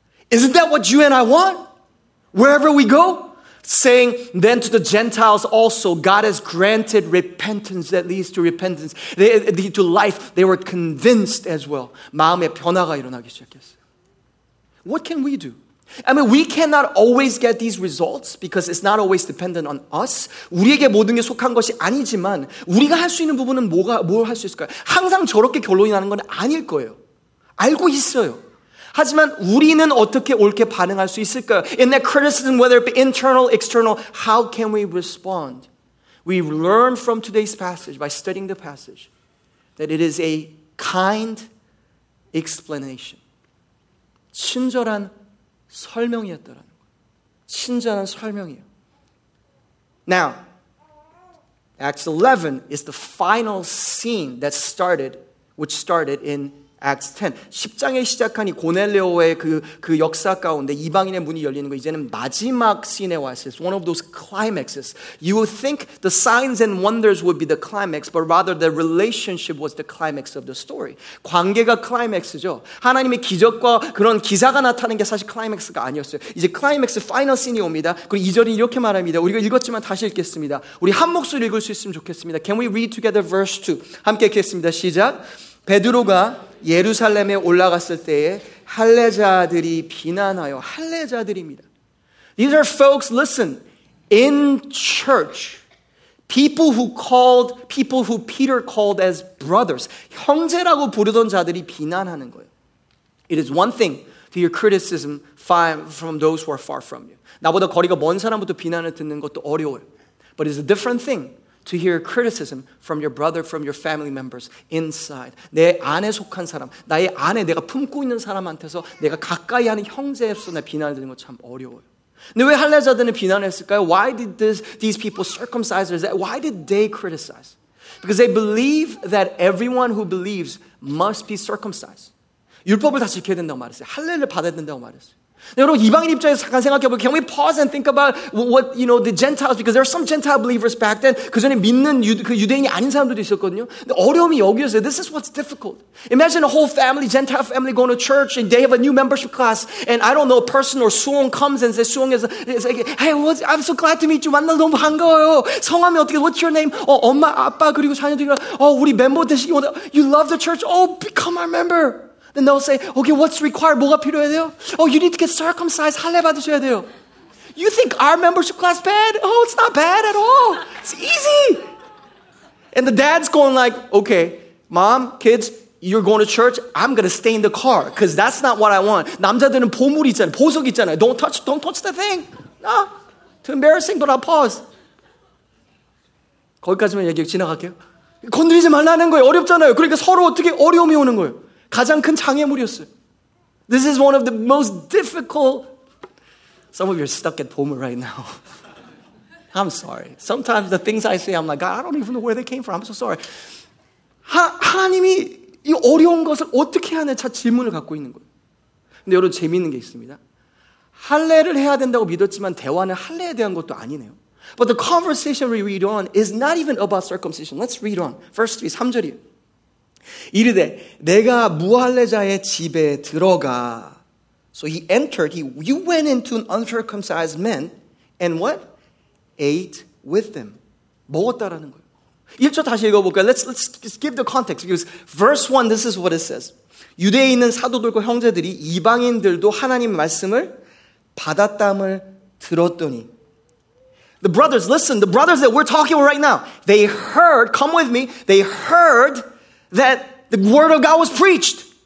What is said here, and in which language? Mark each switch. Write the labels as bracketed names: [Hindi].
[English] Isn't that what you and I want? Wherever we go? Saying, then to the Gentiles also, God has granted repentance that leads to repentance. They lead to life. They were convinced as well. [Korean] 마음의 변화가 일어나기 시작했어요. [English] What can we do? I mean, we cannot always get these results because it's not always dependent on us. [Korean] 우리에게 모든 게 속한 것이 아니지만 우리가 할 수 있는 부분은 뭘 할 수 있을까요? 항상 저렇게 결론이 나는 건 아닐 거예요. 알고 있어요. 하지만 우리는 어떻게 옳게 반응할 수 있을까요? [English] In that criticism, whether it be internal, external, how can we respond? We learn from today's passage, by studying the passage, that it is a kind explanation. [Korean] 친절한 설명이었다라는 거예요. 친절한 설명이에요. [English] Now, Acts 11 is the final scene that started, which started in Acts 10. [Korean] 10장에 시작한 이 고넬레오의 그 역사 가운데 이방인의 문이 열리는 거 이제는 마지막 씬에 왔어요. [English] It's one of those climaxes. You would think the signs and wonders would be the climax, but rather the relationship was the climax of the story. [Korean] 관계가 클라이맥스죠. 하나님의 기적과 그런 기사가 나타나는 게 사실 클라이맥스가 아니었어요. 이제 클라이맥스 파이널 씬이 옵니다. 그리고 2절이 이렇게 말합니다. 우리가 읽었지만 다시 읽겠습니다. 우리 한 목소리 읽을 수 있으면 좋겠습니다. [English] Can we read together verse 2? [Korean] 함께 읽겠습니다. 시작. 베드로가 예루살렘에 올라갔을 때에 할례자들이 비난하여 할례자들입니다. [English] These are folks, listen, in church, people who Peter called as brothers, [Korean] 형제라고 부르던 자들이 비난하는 거예요. [English] It is one thing to hear criticism from those who are far from you. [Korean] 나보다 거리가 먼 사람부터 비난을 듣는 것도 어려워요. [English] But it's a different thing to hear criticism from your brother, from your family members inside. [Korean] 내 안에 속한 사람, 나의 안에 내가 품고 있는 사람한테서 내가 가까이 하는 형제에서 내 비난을 듣는 거 참 어려워요. 근데 왜 할례자들은 비난을 했을까요? [English] Why did these people circumcisers, why did they criticize? Because they believe that everyone who believes must be circumcised. [Korean] 율법을 다 지켜야 된다고 말했어요. 할례를 받아야 된다고 말했어요. 여러분 이방인 입장에서 잠깐 생각해보세요. [English] Can we pause and think about what you know the Gentiles? Because there are some Gentile believers back then. [Korean] 그 전에 믿는 그 유대인이 아닌 사람들도 있었거든요. 근데 어려움이 여기였어요. [English] This is what's difficult. Imagine a whole family, Gentile family, going to church and they have a new membership class. And I don't know, a person or Suong comes and says, Suong is like, hey, I'm so glad to meet you. [Korean] 만나 너무 반가워요. 성함이 어떻게? [English] What's your name? [Korean] 엄마, 아빠 그리고 자녀들이랑 우리 멤버 되시기 원해. [English] You love the church? Oh, become our member. Then they'll say, okay, what's required? [Korean] 뭐가 필요해야 돼요? [English] Oh, you need to get circumcised. [Korean] 할례 받으셔야 돼요. [English] You think our membership class bad? Oh, it's not bad at all. It's easy. And the dad's going like, okay, mom, kids, you're going to church. I'm going to stay in the car because that's not what I want. [Korean] 남자들은 보물이 있잖아요. 보석이 있잖아요. [English] Don't touch the thing. No, too embarrassing, but I'll pause. [Korean] 거기까지만 얘기 지나갈게요. 건드리지 말라는 거예요. 어렵잖아요. 그러니까 서로 어떻게 어려움이 오는 거예요. 가장 큰 장애물이었어요. [English] This is one of the most difficult. Some of you are stuck at Pomer right now. I'm sorry. Sometimes the things I say, I'm like, God, I don't even know where they came from. I'm so sorry. [Korean] 하나님이 이 어려운 것을 어떻게 하냐? 자 질문을 갖고 있는 거예요. 근데 여러분 재미있는 게 있습니다. 할례를 해야 된다고 믿었지만 대화는 할례에 대한 것도 아니네요. [English] But the conversation we read on is not even about circumcision. Let's read on. Verse 3, [Korean] 3절이에요. 이르되 내가 무할례자의 집에 들어가. [English] So he entered, you went into an uncircumcised man and what? Ate with them. [Korean] 먹었다라는 거예요. 1초 다시 읽어볼까요? [English] Let's give the context. Because verse 1, this is what it says. [Korean] 유대에 있는 사도들과 형제들이 이방인들도 하나님 말씀을 받았담을 들었더니. [English] The brothers, listen, the brothers that we're talking with right now, they heard, come with me, they heard that the word of God was preached.